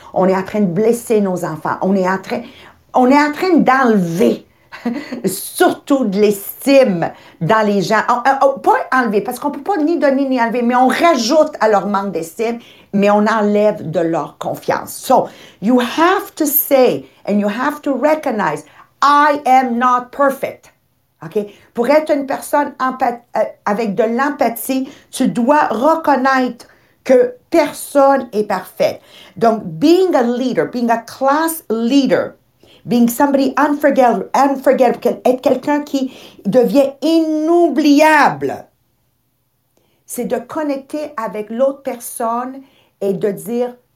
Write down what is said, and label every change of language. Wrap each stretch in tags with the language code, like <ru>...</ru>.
<fr>On est en train de blesser nos enfants. On est en train d'enlever surtout de l'estime dans les gens. Pas enlever, parce qu'on peut pas ni donner ni enlever, mais on rajoute à leur manque d'estime, mais on enlève de leur confiance.</fr> <en>So, you have to say and you have to recognize, I am not perfect. Okay?</en> <fr>Pour être une personne avec de l'empathie, tu dois reconnaître que personne n'est parfait. Donc,</fr> <en>being a leader, being a class leader, being somebody unforgettable,</en> <fr>être quelqu'un qui devient inoubliable, c'est de connecter avec l'autre personne et de dire,</fr>